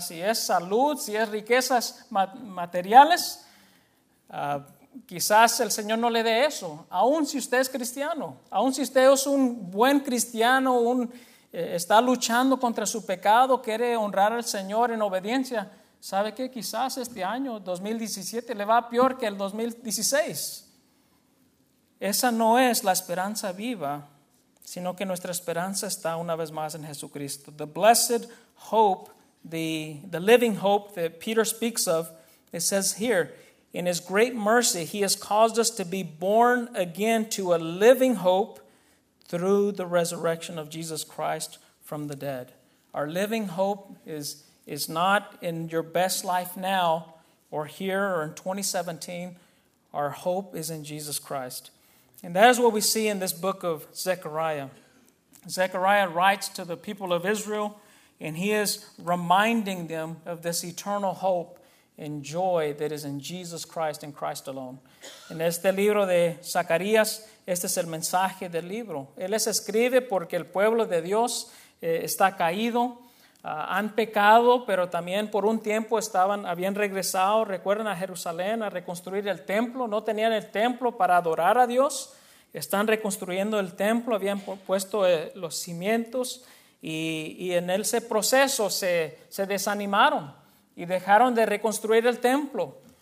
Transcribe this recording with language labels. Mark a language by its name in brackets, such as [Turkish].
[Spanish] Si es salud, si es riquezas materiales, quizás el Señor no le dé eso, aun si usted es cristiano, aun si usted es un buen cristiano, está luchando contra su pecado, quiere honrar al Señor en obediencia. ¿Sabe qué? Quizás este año 2017 le va peor que el 2016. Esa no es la esperanza viva, sino que nuestra esperanza está una vez más en Jesucristo. [English] The blessed hope, the living hope that Peter speaks of, it says here, in his great mercy, he has caused us to be born again to a living hope through the resurrection of Jesus Christ from the dead. Our living hope is not in your best life now or here or in 2017. Our hope is in Jesus Christ. And that is what we see in this book of Zechariah. Zechariah writes to the people of Israel, and he is reminding them of this eternal hope and joy that is in Jesus Christ and Christ alone. [Spanish] En este libro de Zacarías, este es el mensaje del libro. Él les escribe porque el pueblo de Dios está caído. Han pecado, pero también por un tiempo habían regresado, recuerden, a Jerusalén a reconstruir el templo. No tenían el templo para adorar a Dios. Están reconstruyendo el templo, habían puesto los cimientos y en ese proceso se desanimaron y dejaron de reconstruir el templo.